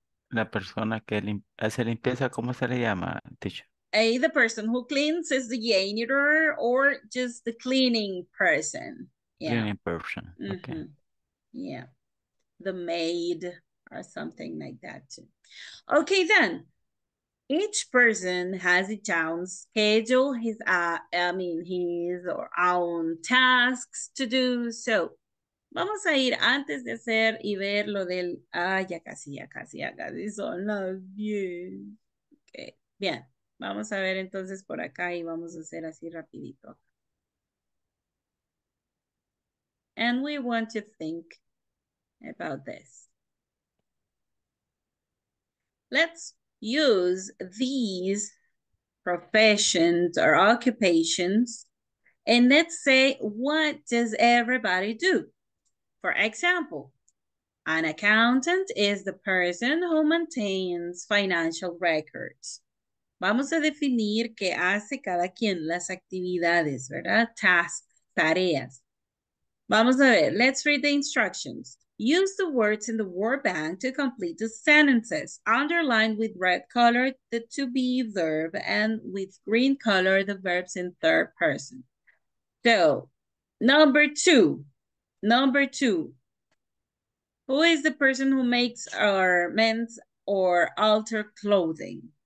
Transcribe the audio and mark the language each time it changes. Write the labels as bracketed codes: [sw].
[es] La persona que hace limpieza, ¿cómo se le llama, teacher? [en] The person who cleans is the janitor or just the cleaning person. Yeah. Cleaning person, mm-hmm. Okay. Yeah, the maid or something like that too. Okay, then. Each person has its own schedule, his or own tasks to do. [es] So, vamos a ir antes de hacer y ver lo del... Ya casi son las 10. Okay, bien. Vamos a ver entonces por acá y vamos a hacer así rapidito. [en] And we want to think about this. Let's use these professions or occupations and let's say, what does everybody do? For example, an accountant is the person who maintains financial records. [es] Vamos a definir qué hace cada quien, las actividades, ¿verdad? Tasks, tareas. Vamos a ver, [en] let's read the instructions. Use the words in the word bank to complete the sentences. Underline with red color the to-be verb and with green color the verbs in third person. So, number two. Who is the person who makes or mends or alter clothing?